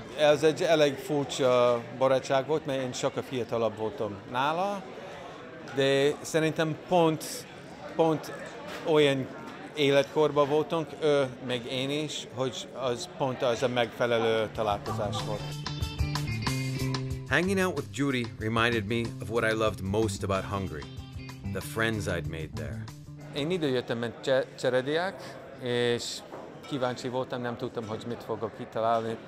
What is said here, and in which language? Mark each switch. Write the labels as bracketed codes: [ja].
[hu] Ez egy elég furcsa barátság volt, mert én sokkal fiatalabb voltam nála, de szerintem pont olyan életkorban voltunk, ő meg én is, hogy az pont az a megfelelő találkozás volt. [en] Hanging out with Gyuri reminded me of what I loved most about Hungary, the friends I'd made there. [hu] Én ide jöttem, mint cserediák, és kíváncsi voltam, nem tudtam, hogy mit fogok kitalálni.